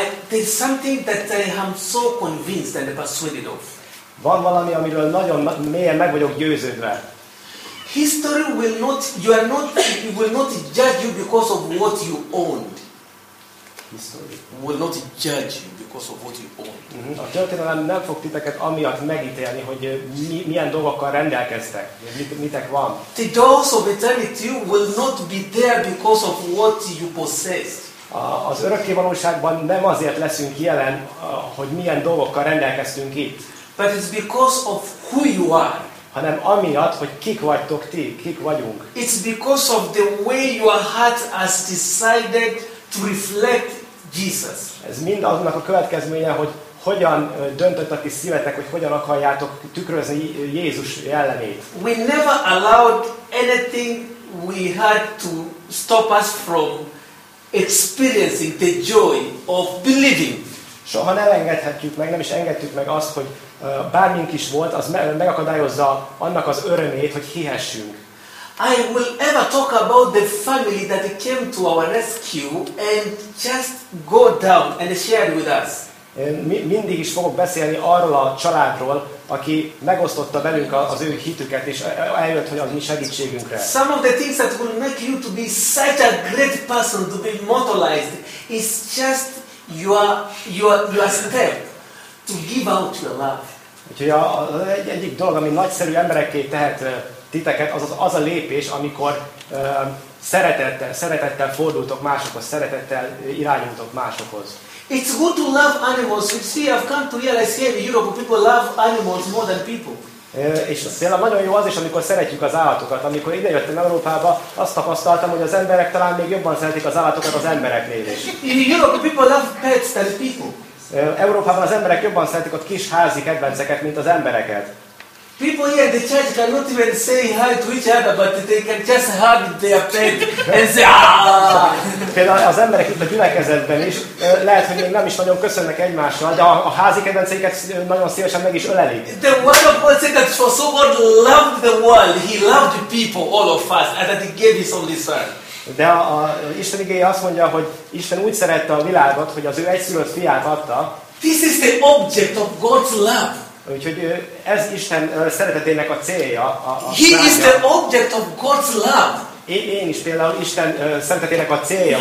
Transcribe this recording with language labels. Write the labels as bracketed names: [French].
[English] There's something that I am so convinced and persuaded of. [Hungarian] Van valami, amiről nagyon mélyen meg vagyok győződve. [English] History will not, you are not, it will not judge you because of what you owned. History will not judge you because of what you owned. [Hungarian] Mm-hmm. A történelem nem fog titeket amiatt megítélni, hogy milyen dolgokkal rendelkeztek, mitek van. [English] The doors of eternity will not be there because of what you possessed. [Hungarian] Az örökké valóságban nem azért leszünk jelen, hogy milyen dolgokkal rendelkeztünk itt. [English] But it's because of who you are. [Hungarian] Hanem amiatt, hogy kik vagytok ti, kik vagyunk. [English] It's because of the way your heart has decided to reflect Jesus. [Hungarian] Ez mind annak a következménye, hogy hogyan döntött a ti szívetek, hogy hogyan akarjátok tükrözni Jézus jellemét. [English] We never allowed anything we had to stop us from experiencing the joy of believing. [Hungarian] Soha nem engedhetjük meg, nem is engedtük meg azt, hogy bármink is volt, az megakadályozza annak az örömét, hogy hihessünk. [English] I will ever talk about the family that came to our rescue and just go down and share with us. [Hungarian] Én mindig is fogok beszélni arról a családról, aki megosztotta velünk az ő hitüket, és eljött, hogy az mi segítségünkre. [English] Some of the things that will make you to be such a great person, to be immortalized, is just your step to give out your love. [Hungarian] Úgyhogy egyik dolog, ami nagyszerű emberekké tehet titeket, az a lépés, amikor szeretettel fordultok másokhoz, szeretettel irányultok másokhoz. [English] It's good to love animals. You see, I've come to realize here in Europe, people love animals more than people. [Hungarian] És tényleg nagyon jó az is, amikor szeretjük az állatokat. Amikor idejöttem Európába, azt tapasztaltam, hogy az emberek talán még jobban szeretik az állatokat az embereknél is. [English] In Europe, people love pets than people. [Hungarian] Európában az emberek jobban szeretik ott kis házi kedvenceket, mint az embereket. [English] People here in the church cannot even say hi to each other, but they can just hug their pet and say ah. [Hungarian] Például az emberek itt a gyülekezetben is lehet, hogy nem is nagyon köszönnek egymással, de a házi kedvenceiket nagyon szívesen meg is ölelik. [English] The one of God said that for so God loved the world, he loved people, all of us, and that he gave his only son. [Hungarian] De az Isten igéje azt mondja, hogy Isten úgy szerette a világot, hogy az ő egyszülött fiát adta. [English] This is the object of God's love. [Hungarian] Úgyhogy ez Isten szeretetének a célja. [English] He is the object of God's love. [Hungarian] Én is például Isten szeretetének a célja.